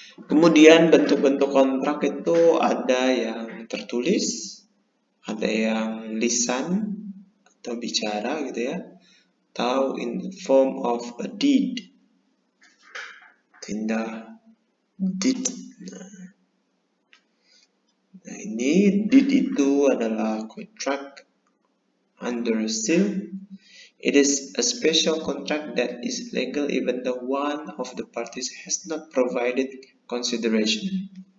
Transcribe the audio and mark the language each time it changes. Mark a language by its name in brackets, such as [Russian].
[Indonesian] Kemudian bentuk-bentuk kontrak itu ada yang tertulis, ada yang lisan atau bicara gitu ya. Atau [English] in the form of a deed, [Indonesian] tanda [English] deed. [Indonesian] Nah, ini deed itu adalah [English] contract under seal. It is a special contract that is legal even though one of the parties has not provided consideration.